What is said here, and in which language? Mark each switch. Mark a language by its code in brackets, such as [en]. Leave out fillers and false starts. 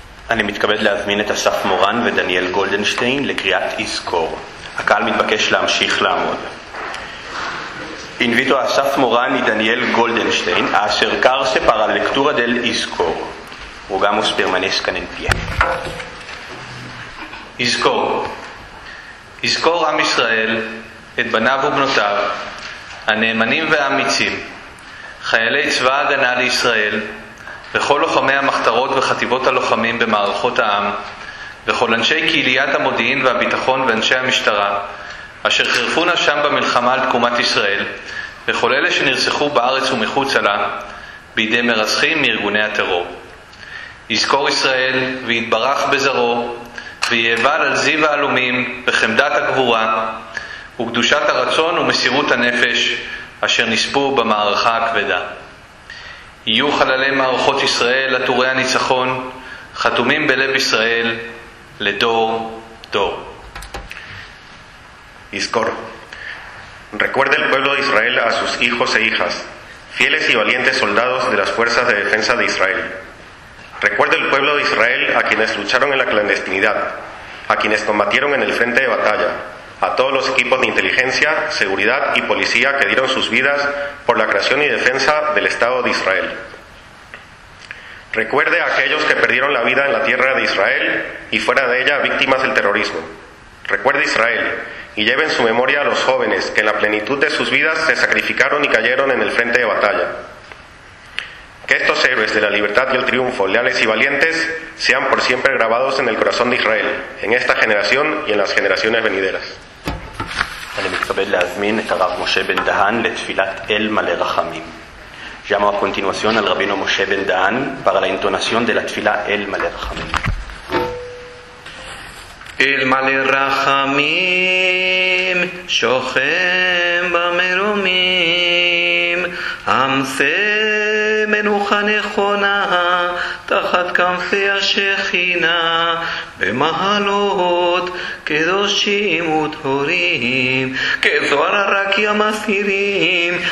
[he] אני מתכבד להזמין את אסף מורן ודניאל גולדנשטיין לקריאת אזכור. הקהל מתבקש להמשיך לעמוד. [es] Invito a אסף מורן y דניאל גולדנשטיין a acercarse para la lectura del אזכור. Rogamos permanezcan en pie. [he] אזכור. אזכור עם ישראל, את בניו ובנותיו, הנאמנים והאמיצים, חיילי צבא הגנה לישראל, וכל לוחמי המחתרות וחטיבות הלוחמים במערכות העם, וכל אנשי קהיליית המודיעין והביטחון ואנשי המשטרה, אשר חירפו נשם במלחמה על תקומת ישראל, וכל אלה שנרצחו בארץ ומחוצה לה, בידי מרסחים מארגוני הטרור. יזכור ישראל ויתברך בזרו, ויאבל על זיו העלומים בחמדת הגבורה, וקדושת הרצון ומסירות הנפש אשר נספו במערכה הכבדה. יהיו חללי מערכות ישראל לטורי הניצחון, חתומים בלב ישראל לדור דור. יזכור. [es] Recuerde el pueblo de Israel a sus hijos e hijas, fieles y valientes soldados de las fuerzas de defensa de Israel. Recuerde el pueblo de Israel a quienes lucharon en la clandestinidad, a quienes combatieron en el frente de batalla, a todos los equipos de inteligencia, seguridad y policía que dieron sus vidas por la creación y defensa del Estado de Israel. Recuerde a aquellos que perdieron la vida en la tierra de Israel y fuera de ella víctimas del terrorismo. Recuerde Israel y lleve en su memoria a los jóvenes que en la plenitud de sus vidas se sacrificaron y cayeron en el frente de batalla. Que estos héroes de la libertad y el triunfo, leales y valientes, sean por siempre grabados en el corazón de Israel, en esta generación y en las generaciones venideras. [he] אני מתכבד להזמין את הרב משה בן דהן לתפילת אל מלא רחמים. [es] Llamo a continuación al rabino Moshe ben Dan para la entonación de la tefila El Malé Rahamim. [he] El Malé Rahamim Shochem Bamerumim Amse Menucha Nechona Tachat Kamfe Ashechina במהלות קדושים וטהורים כזוהר הרקיע מסירים